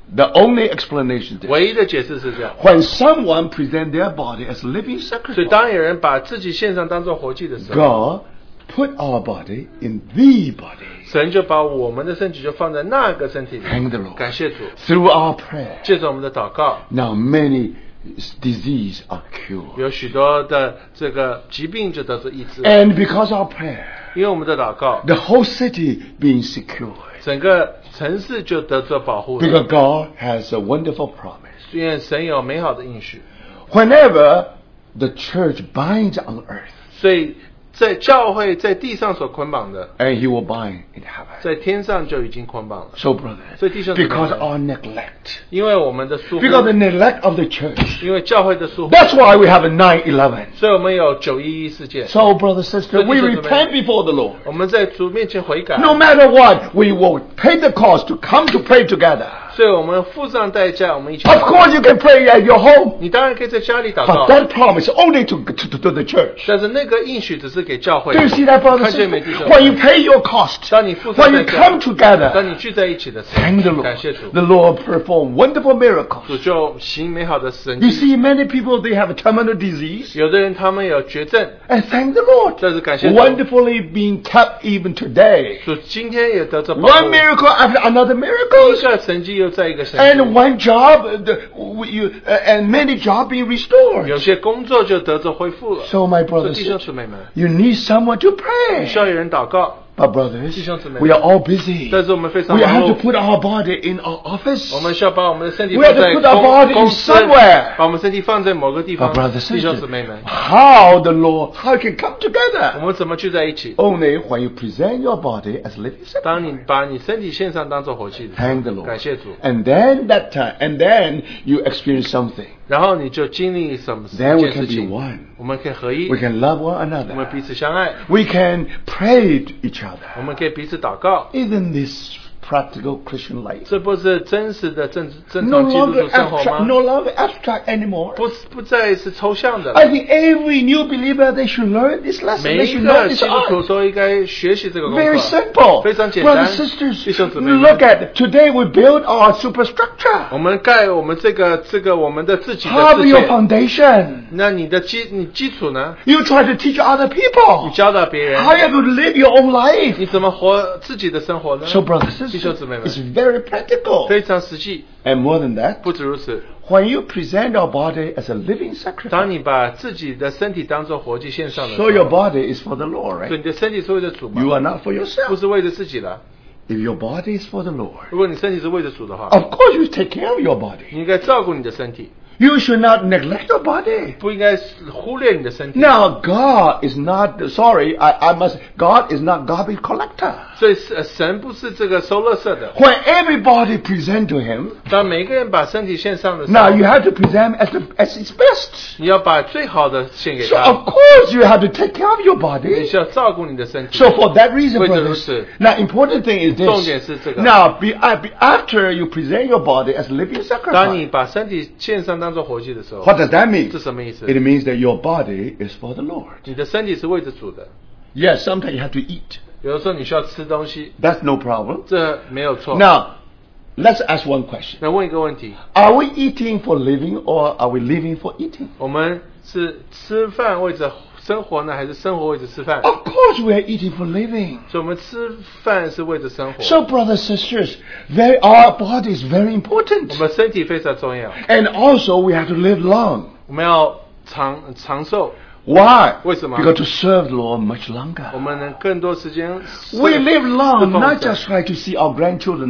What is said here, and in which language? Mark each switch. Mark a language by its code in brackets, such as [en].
[en] The only explanation is when someone presents their body as living sacrifice, [zh] 所以当有人把自己献上当作活祭的时候, [en] God put our body in the body. [zh] 神就把我们的身体就放在那个身体里, [en] thank the Lord. [zh] 感谢主, [en] through our prayer, [zh] 借着我们的祷告, [en] now many disease are cured. [zh] 有许多的这个疾病就得到医治, [en] and because of our prayer, [zh] 因为我们的祷告, [en] the whole city being secured. [zh] 整个城市就得到保护, [en] because God has a wonderful promise. [zh] 因为神有美好的应许, [en] whenever the church binds on earth, [zh] 所以 在教会在地上所捆绑的, [en] and he will bind in heaven. [zh] 在天上就已经捆绑了, [en] so brother, [zh] 所以弟兄姊妹们, [en] because our neglect, [zh] 因为我们的疏忽, [en] because the neglect of the church, [zh] 因为教会的疏忽, [en] that's why we have a 9/11. [zh] 所以我们有911事件, [en] so brother, sister, [zh] 所以弟兄姊妹们, [en] we repent before the Lord. [zh] 我们在主面前悔改, [en] no matter what, we will pay the cost to come to pray together. [zh] 所以我们付上代价, [en] of course you can pray at your home. [zh] 你当然可以在家里祷告, [en] but that promise only to the church. [zh] 但是那个应许只是给教会, [en] do you see that, brothers and sisters? When you pay your cost, [zh] 当你付上代价, [en] when you come together, [zh] 当你聚在一起的时候, [en] thank the Lord. [zh] 感谢主, [en] the Lord performed wonderful miracles. [zh] 主就行美好的神迹, [en] you see many people, they have a terminal disease, [zh] 有的人他们有绝症, [en] and thank the Lord, [zh] 但是感谢主, [en] wonderfully being kept even today. [zh] 主今天也得着保护, [en] one miracle after another miracle, [zh] 一下神迹, [en] and one job, and many jobs being restored. So, my brothers, you need someone to pray. But brothers, [zh] 弟兄姊妹, [en] we are all busy. [zh] 但是我们非常忙碌, [en] we have to put our body in our office. [zh] 我们需要把我们的身体放在, [en] we have to put our body [zh] 公司, [en] in somewhere. [zh] 把我们身体放在某个地方, [en] but brothers, [zh] 弟兄姊妹们, [en] how the Lord, how can come together? [zh] 我们怎么聚在一起? [en] Only when you present your body as living sacrifice. [zh] 当你把你身体献上当作活祭, [en] thank the Lord. [zh] 感谢主, [en] and then that time, and then you experience something. [zh] 然后你就经历什么事, [en] then we can be one. [zh] 我们可以合一, [en] we can love one another. [zh] 我们彼此相爱, [en] we can pray to each other. [zh] 我们可以彼此祷告, [en] isn't this practical Christian life? [zh] 这不是真实的正常基督徒生活吗? [en] No longer abstract anymore. [zh] 不再是抽象的, [en] I think every new believer, they should learn this lesson. [zh] 每一个基督徒都应该学习这个功课, [en] very simple. [zh] 非常简单, [en] brothers and sisters, [zh] 弟兄姊妹们, [en] look at today, we build our superstructure. [zh] 我们盖我们这个我们的自己的世界, [en] have your foundation. [zh] 那你的基础呢? [en] You try to teach other people. [zh] 你教导别人, [en] how you have to live your own life. [zh] 你怎么活自己的生活呢? [en] So brothers, it's very practical. [zh] 非常实际, [en] and more than that, [zh] 不止如此, [en] when you present your body as a living sacrifice, [zh] 当你把自己的身体当作活祭献上的时候, [en] so your body is for the Lord, right? [zh] 对你的身体是为了主吗? [en] You are not for yourself. [zh] 不是为了自己了, [en] if your body is for the Lord, [zh] 如果你身体是为了主的话, [en] of course you take care of your body. [zh] 你应该照顾你的身体, [en] you should not neglect your body. [zh] 不应该忽略你的身体, [en] now God is not, sorry, I must, God is not garbage collector. [zh] 所以神不是这个收垃圾的, [en] when everybody present to him, [zh] 当每个人把身体献上的时候, [en] now you have to present as his best. [zh] 你要把最好的献给他, [en] so of course you have to take care of your body. [zh] 你需要照顾你的身体, [en] so for that reason, [zh] 为了如此, [en] brothers, now important thing is this, [zh] 重点是这个, [en] now after you present your body as living sacrifice, [zh] 当你把身体献上, [en] what does that mean? [zh] 这什么意思? [en] It means that your body is for the Lord. [zh] 你的身体是为着主的, [en] yes, sometimes you have to eat. [zh] 有的时候你需要吃东西, [en] that's no problem. [zh] 这没有错, [en] now, let's ask one question. [zh] 那问一个问题, [en] are we eating for living or are we living for eating? [zh] 我们是吃饭为着生活呢, 还是生活为着吃饭? [en] Of course we are eating for living. [zh] 所以我们吃饭是为着生活, [en] so brothers and sisters, they, our body is very important. [zh] 我们身体非常重要, [en] and also we have to live long. [zh] 我们要长寿, [en] Why? [zh] 为什么? [en] Because to serve the Lord much longer. [zh] 我们能更多时间, [en] we live long, not just try to see our grandchildren.